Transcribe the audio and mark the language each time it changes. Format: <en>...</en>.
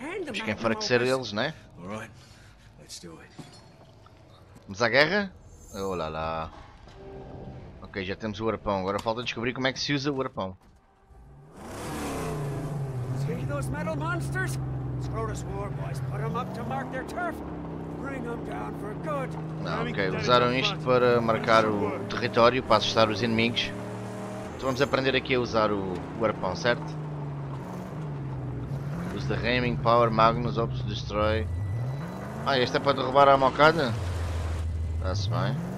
<pt>Mas quem enfraquecer eles, né? Vamos à guerra? Oh lá lá. Ok, já temos o arpão. Agora falta descobrir como é que se usa o arpão.</pt> <en>See those metal monsters? Scrotus War Boys, put them up to mark their turf. Bring them down for good.</en> <pt>Ah, ok, usaram isto para marcar o território, para assustar os inimigos. Então vamos aprender aqui a usar o arpão, certo?</pt> <en>Use the Reaming Power Magnus Opus Destroy.</en> <pt>Ah, este é para derrubar a mocada? Está-se bem.</pt>